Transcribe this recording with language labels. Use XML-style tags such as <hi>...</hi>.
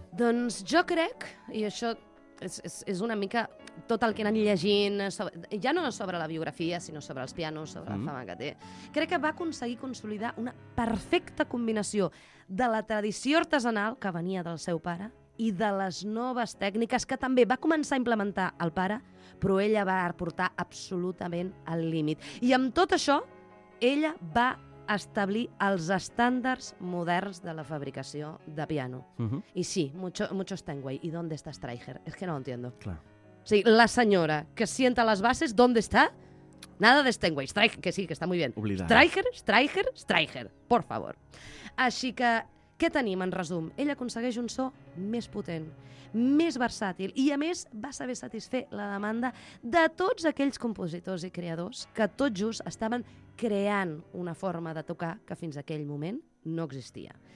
<ca>Doncs jo crec, i això és una mica tot el que he anat llegint, ja no sobre la biografia, sinó sobre els pianos, sobre la fama que té, crec que va aconseguir consolidar una perfecta combinació de la tradició artesanal que venia del seu pare i de les noves tècniques que també va començar a implementar el pare, però ella va portar absolutament al límit. I amb tot això, ella va establir els estàndards moderns de la fabricació de piano.</ca> <es>I sí, mucho Steinway. ¿Y dónde está Streicher? Es que no lo entiendo. Claro. Sí,</es> <ca>la senyora</ca> <es>que sienta las bases, ¿dónde está? Nada de Steinway. Streicher, que sí, que está muy bien.</es> <ca>Oblidar.</ca> <es>Streicher, por favor.</es> <ca>Així que, què tenim en resum? Ell aconsegueix un so més potent, més versàtil i, a més, va saber satisfer la demanda de tots aquells compositors i creadors que tot just estaven creant una forma de tocar que fins aquell moment no existia.</ca>